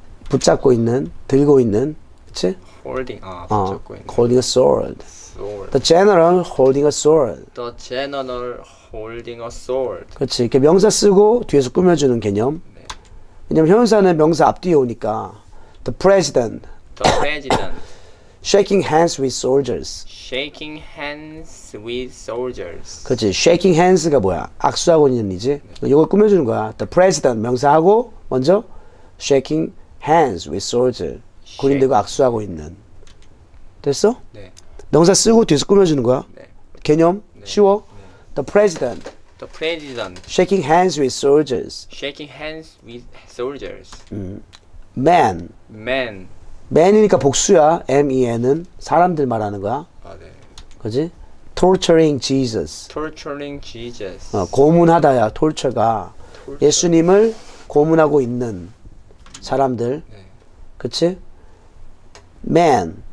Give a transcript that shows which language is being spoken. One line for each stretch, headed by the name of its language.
Korean: 붙잡고 있는, 들고 있는, 그렇지?
English: Holding
Korean: 붙잡고 있는.
English: Holding a sword. Sword. The general holding a sword. The general holding a sword.
Korean: 그렇지. 이렇게 명사 쓰고 뒤에서 꾸며주는 개념. 네. 왜냐면 현사는 명사 앞뒤에 오니까
English: the president. The president. Shaking hands with soldiers. Shaking hands with soldiers.
Korean: 그렇지.
English: Shaking hands
Korean: 가 뭐야? 악수하고 있는이지. 네. 이걸 꾸며주는 거야.
English: The president
Korean: 명사하고 먼저
English: shaking hands with soldiers.
Korean: 군인들과 악수하고 있는. 됐어? 네. 명사 쓰고 뒤에서 꾸며주는 거야. 네. 개념 네. 쉬워. 네.
English: The president. The president. Shaking hands with soldiers. Shaking hands with soldiers. Man. Man.
Korean: man이니까 복수야. men은 사람들 말하는 거야. 아, 네. 그렇지?
English: torturing jesus. torturing jesus.
Korean: 고문하다야. torture가 예수님을 고문하고 있는 사람들. 네. 그렇지? man.